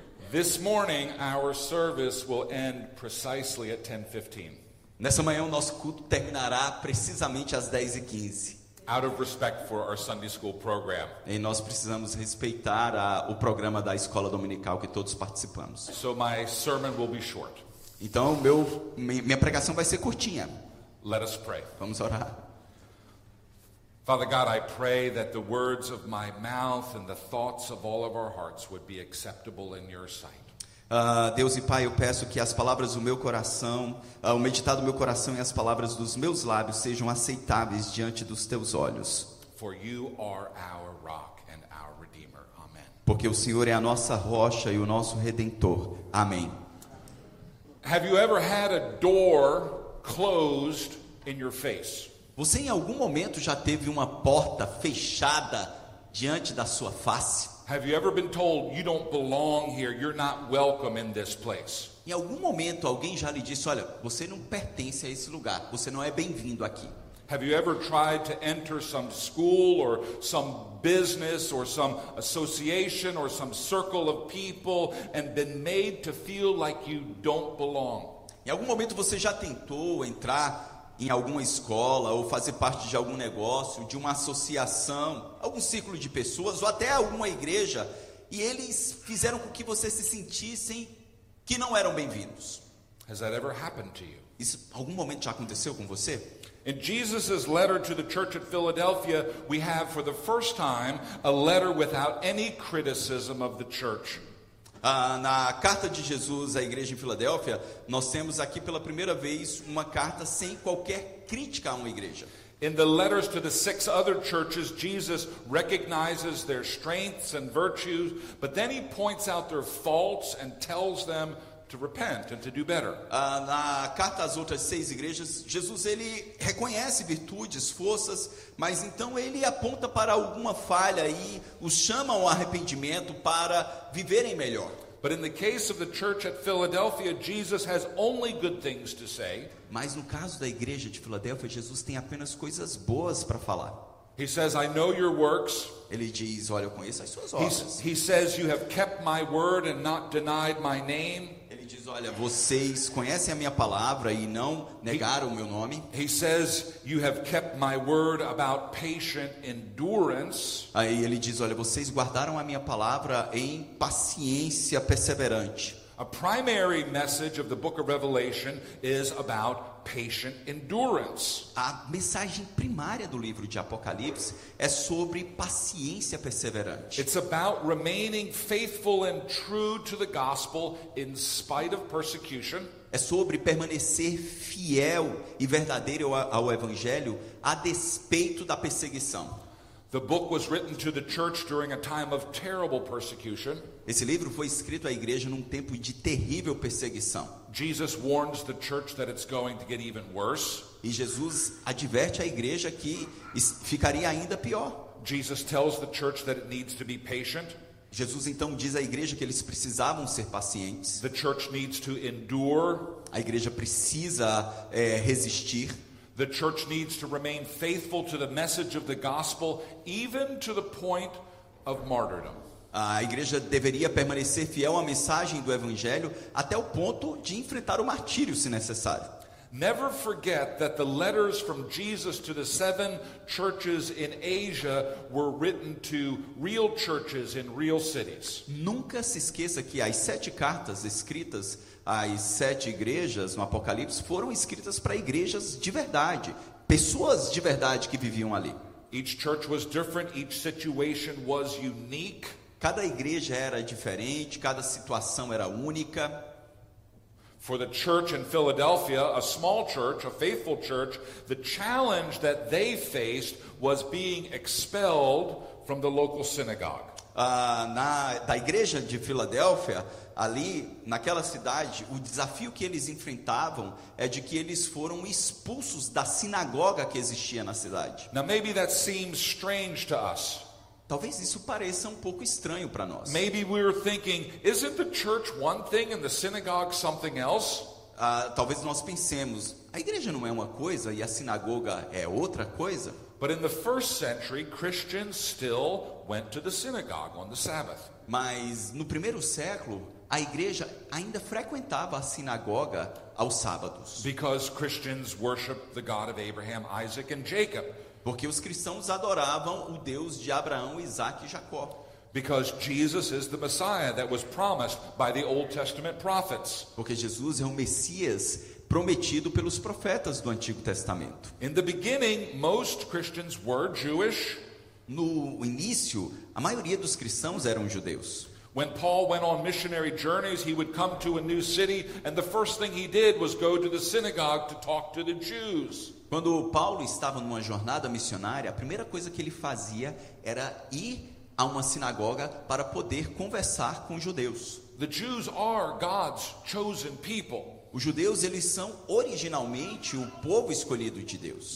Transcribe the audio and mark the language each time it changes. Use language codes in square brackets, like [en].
[en] This morning our service will end precisely at 10:15. [pt] Nessa manhã o nosso culto terminará precisamente às 10:15. [en] Out of respect for our Sunday school program. [pt] E nós precisamos respeitar o programa da escola dominical que todos participamos. [en] So my sermon will be short. [pt] Então minha pregação vai ser curtinha. [en] Let us pray. [pt] Vamos orar. [en] Father God, I pray that the words of my mouth and the thoughts of all of our hearts would be acceptable in your sight. [pt] Deus e Pai, eu peço que as palavras do meu coração, o meditar do meu coração e as palavras dos meus lábios sejam aceitáveis diante dos teus olhos. [en] For you are our rock and our redeemer. Amen. [pt] Porque o Senhor é a nossa rocha e o nosso redentor. Amém. [en] Have you ever had a door closed in your face? [pt] Você em algum momento já teve uma porta fechada diante da sua face? [en] Have you ever been told you don't belong here, you're not welcome in this place? [pt] Em algum momento alguém já lhe disse: olha, você não pertence a esse lugar, você não é bem-vindo aqui? [en] Have you ever tried to enter some school or some business or some association or some circle of people and been made to feel like you don't belong? [pt] Em algum momento você já tentou entrar em alguma escola ou fazer parte de algum negócio, de uma associação, algum círculo de pessoas ou até alguma igreja, e eles fizeram com que você se sentissem que não eram bem-vindos? [en] Has that ever happened to you? [pt] Isso algum momento já aconteceu com você? [en] In Jesus's letter to the church at Philadelphia, we have for the first time a letter without any criticism of the church. [pt] Na carta de Jesus à igreja em Filadélfia, nós temos aqui pela primeira vez uma carta sem qualquer crítica a uma igreja. [en] In the letters to the six other churches, Jesus recognizes their strengths and virtues, but then he points out their faults and tells them to repent and to do better. [pt] Na carta às outras seis igrejas, Jesus ele reconhece virtudes, forças, mas então ele aponta para alguma falha e os chama ao arrependimento para viverem melhor. [en] But in the case of the church at Philadelphia, Jesus has only good things to say. [pt] Mas no caso da igreja de Filadélfia, Jesus tem apenas coisas boas para falar. [en] He says, I know your works. [pt] Ele diz, olha, eu conheço as suas obras. [en] He says, you have kept my word and not denied my name. [pt] Ele diz, olha, vocês conhecem a minha palavra e não negaram o meu nome. [en] He says, you have kept my word about patient endurance. [pt] Aí ele diz, olha, vocês guardaram a minha palavra em paciência perseverante. [en] A primary message of the book of Revelation is about patient endurance. [pt] A mensagem primária do livro de Apocalipse é sobre paciência perseverante. [en] It's about remaining faithful and true to the gospel in spite of persecution. [pt] É sobre permanecer fiel e verdadeiro ao evangelho a despeito da perseguição. [en] The book was written to the church during a time of terrible persecution. [pt] Esse livro foi escrito à igreja num tempo de terrível perseguição. [en] Jesus warns the church that it's going to get even worse. [pt] E Jesus adverte a igreja que ficaria ainda pior. [en] Jesus tells the church that it needs to be patient. [pt] Jesus então diz à igreja que eles precisavam ser pacientes. [en] The church needs to endure. [pt] A igreja precisa resistir. [en] The church needs to remain faithful to the message of the gospel, even to the point of martyrdom. [pt] A igreja deveria permanecer fiel à mensagem do evangelho até o ponto de enfrentar o martírio, se necessário. [en] Never forget that the letters from Jesus to the seven churches in Asia were written to real churches in real cities. [pt] Nunca se esqueça que as sete cartas escritas às sete igrejas no Apocalipse foram escritas para igrejas de verdade, pessoas de verdade que viviam ali. [en] Each church was different, each situation was unique. [pt] Cada igreja era diferente, cada situação era única. [en] For the church in Philadelphia, a small church, a faithful church, the challenge that they faced was being expelled from the local synagogue. [pt] Da igreja de Filadélfia, ali naquela cidade, o desafio que eles enfrentavam é de que eles foram expulsos da sinagoga que existia na cidade. [en] Now maybe that seems strange to us. [pt] Talvez isso pareça um pouco estranho para nós. [en] Maybe we were thinking, isn't the church one thing and the synagogue something else? [pt] Talvez nós pensemos, a igreja não é uma coisa e a sinagoga é outra coisa? [en] But in the first century, Christians still went to the synagogue on the Sabbath. [pt] Mas no primeiro século, a igreja ainda frequentava a sinagoga aos sábados. [en] Because Christians worshiped the God of Abraham, Isaac and Jacob. [pt] Porque os cristãos adoravam o Deus de Abraão, Isaac e Jacó. [en] Because Jesus is the Messiah that was promised by the Old Testament prophets. [pt] Porque Jesus é o Messias prometido pelos profetas do Antigo Testamento. [en] In the beginning, most Christians were Jewish. [pt] No início, a maioria dos cristãos eram judeus. [en] When Paul went on missionary journeys, he would come to a new city and the first thing he did was go to the synagogue to talk to the Jews. [pt] Quando Paulo estava numa jornada missionária, a primeira coisa que ele fazia era ir a uma sinagoga para poder conversar com os judeus. [en] The Jews are God's chosen people. [pt] Os judeus, eles são originalmente o povo escolhido de Deus.